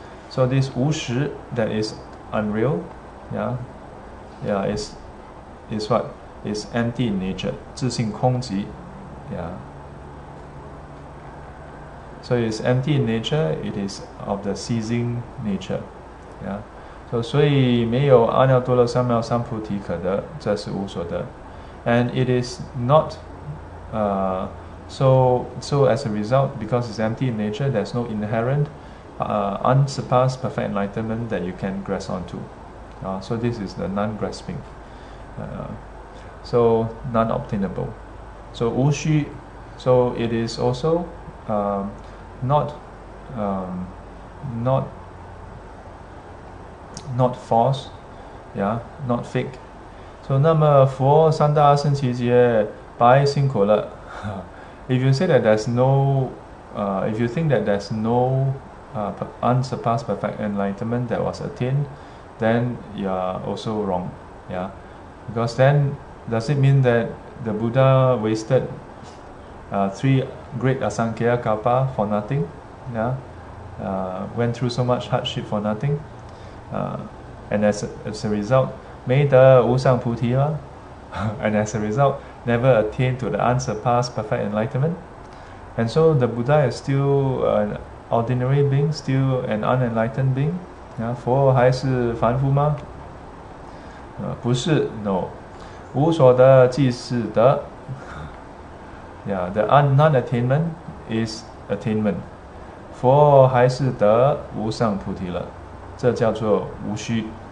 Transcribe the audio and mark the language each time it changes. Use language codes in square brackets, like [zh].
[en] So this 无实, that is unreal, yeah, is what? It's empty in nature, 自性空寂, yeah. So it's empty in nature, it is of the ceasing nature, yeah. [zh] So 所以没有阿耨多罗三藐三菩提可得, 这是无所得. [en] And it is not, so as a result, because it's empty in nature, there's no inherent unsurpassed perfect enlightenment that you can grasp onto. So this is the non-grasping. So non-obtainable. So 无虚, so it is also not false, yeah, not fake. [zh] So 那么佛三大圣奇劫白辛苦了. [en] If you say that there's no, if you think that there's no unsurpassed perfect enlightenment that was attained, then you are also wrong, yeah. Because then, does it mean that the Buddha wasted three great asankhya kalpa for nothing, yeah? Went through so much hardship for nothing, and as a result, [zh] 没得无上菩提吗? [en] And as a result, never attained to the unsurpassed perfect enlightenment. And so the Buddha is still an ordinary being, still an unenlightened being. [zh] Yeah, 佛还是凡夫吗? 不是, no. 无所得即是得. [en] Yeah, the non-attainment is attainment. [zh] 佛还是得无上菩提了，这叫做无虚.